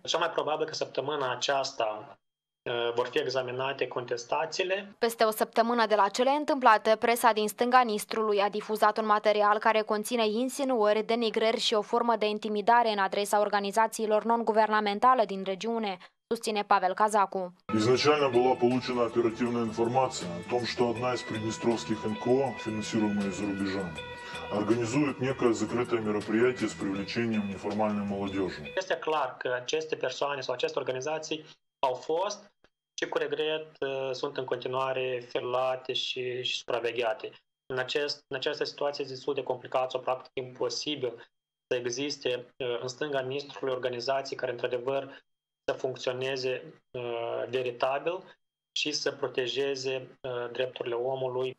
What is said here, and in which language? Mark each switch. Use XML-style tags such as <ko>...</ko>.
<ro>Cel mai probabil că săptămâna aceasta vor fi examinate contestațiile. Peste o săptămână de la cele întâmplate, presa din stânga Nistrului a difuzat un material care conține insinuări, denigrări și o formă de intimidare în adresa organizațiilor non-guvernamentale din regiune, susține Pavel Cazacu.</ro> <ru>Изначально была получена оперативная информация о том, что одна из приднестровских НКО, финансируемая из-за рубежа, организует некое закрытое мероприятие с привлечением неформальной молодежи.</ru> <ro>Este clar că aceste persoane sau aceste organizații au fost și cu regret sunt în continuare filate și supravegheate. În această situație este destul de complicat sau practic imposibil să existe în stânga Nistrului organizații care într-adevăr să funcționeze veritabil și să protejeze drepturile omului.</ro>